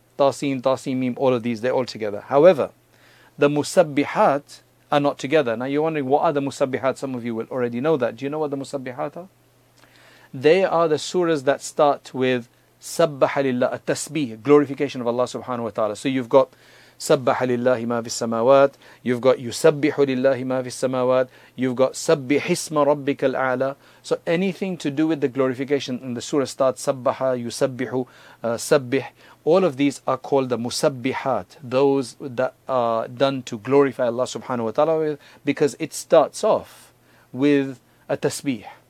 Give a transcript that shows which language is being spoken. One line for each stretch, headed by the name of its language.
English: Taseen, Taseen, Mim, all of these, they're all together. However, the Musabbihat are not together. Now you're wondering, what are the Musabbihat? Some of you will already know that. Do you know what the Musabbihat are? They are the surahs that start with Sabbaha lillah, at-tasbih, glorification of Allah subhanahu wa ta'ala. So you've got
Arabic: سَبَّحَ لِلَّهِ مَا فِي السَّمَاوَاتِ.
English: You've got
Arabic: يُسَبِّحُ لِلَّهِ مَا فِي السَّمَاوَاتِ. You've got سَبِّحِ اسْمَ رَبِّكَ الْأَعْلَى.
English: So anything to do with the glorification, and the surah starts سَبَّحَ, يُسَبِّحُ, سَبِّح. All of these are called the مُسَبِّحَات, those that are done to glorify Allah subhanahu wa ta'ala, because it starts off with a tasbih.